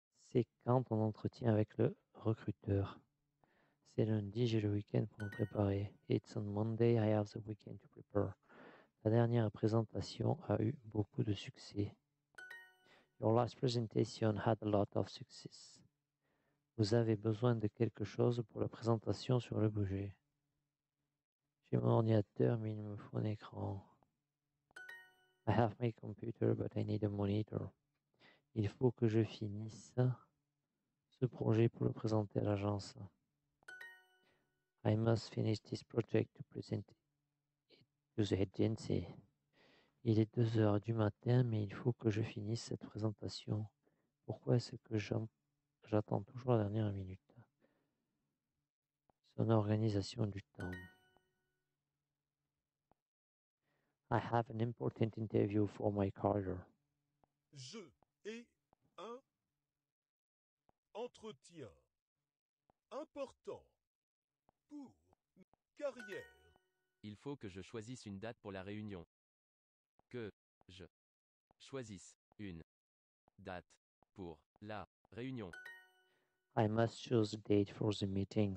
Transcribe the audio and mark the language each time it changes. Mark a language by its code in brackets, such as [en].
[fr] C'est quand on entretient avec le recruteur. C'est lundi, j'ai le week-end pour me préparer. [en] It's on Monday, I have the weekend to prepare. [fr] La dernière présentation a eu beaucoup de succès. [en] Your last presentation had a lot of success. [fr] Vous avez besoin de quelque chose pour la présentation sur le budget. J'ai mon ordinateur, mais il me faut un écran. [en] I have my computer, but I need a monitor. [fr] Il faut que je finisse ce projet pour le présenter à l'agence. [en] I must finish this project to present it. [fr] Il est 2h du matin, mais il faut que je finisse cette présentation. Pourquoi est-ce que j'attends toujours la dernière minute? Son organisation du temps. [en] I have an important interview for my career. [fr] Je ai un entretien important pour ma carrière. Il faut que je choisisse une date pour la réunion. Que je choisisse une date pour la réunion. [en] I must choose a date for the meeting.